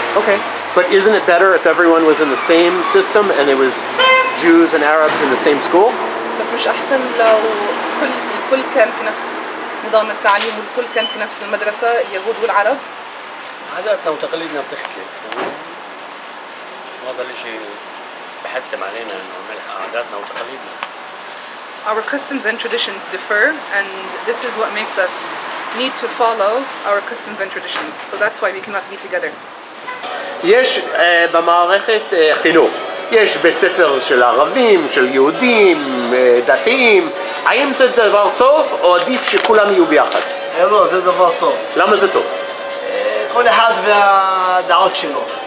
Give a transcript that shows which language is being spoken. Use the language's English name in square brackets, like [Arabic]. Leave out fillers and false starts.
[English] Okay, but isn't it better if everyone was in the same system and it was Jews and Arabs in the same school? [Arabic] بس مش احسن لو كل كان في نفس نظام التعليم والكل كان في نفس المدرسه اليهود والعرب؟ عاداتنا وتقاليدنا بتختلف وهذا الشيء بحتم علينا انه نلحق عاداتنا وتقاليدنا. [English] Our customs and traditions differ and this is what makes us need to follow our customs and traditions, so that's why we cannot be together. [Hebrew] יש במערכת חינוך, יש בית ספר של ערבים, של יהודים, דתיים. האם זה דבר טוב או עדיף שכולם יהיו ביחד? לא, זה דבר טוב. למה זה טוב? כל אחד והדעות שלו.